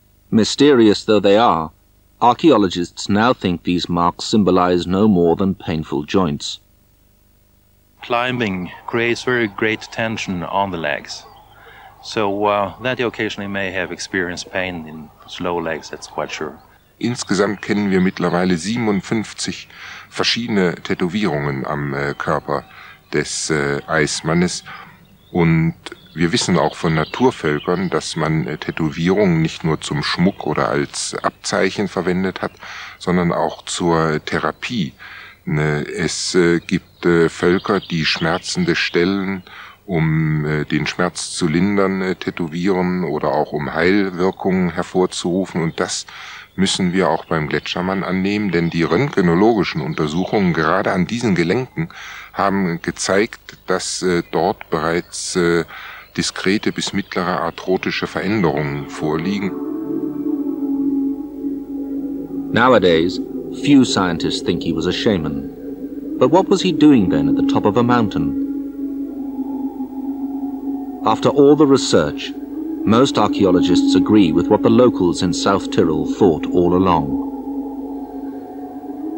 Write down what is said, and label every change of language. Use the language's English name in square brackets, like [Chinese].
[English] Mysterious though they are, archaeologists now think these marks symbolize no more than painful joints. Climbing creates very great tension on the legs. So that he occasionally may have experienced pain in slow legs, that's quite sure. [German] Insgesamt kennen wir mittlerweile 57 verschiedene Tätowierungen am Körper des Eismannes. Und wir wissen auch von Naturvölkern, dass man Tätowierungen nicht nur zum Schmuck oder als Abzeichen verwendet hat, sondern auch zur Therapie. Es gibt Völker, die schmerzende Stellen, um den Schmerz zu lindern, tätowieren oder auch um Heilwirkungen hervorzurufen. Und das müssen wir auch beim Gletschermann annehmen, denn die röntgenologischen Untersuchungen gerade an diesen Gelenken haben gezeigt, dass dort bereits diskrete bis mittlere arthrotische Veränderungen vorliegen. [English] Nowadays, few scientists think he was a shaman. But what was he doing then at the top of a mountain? After all the research, Most archaeologists agree with what the locals in South Tyrol thought all along.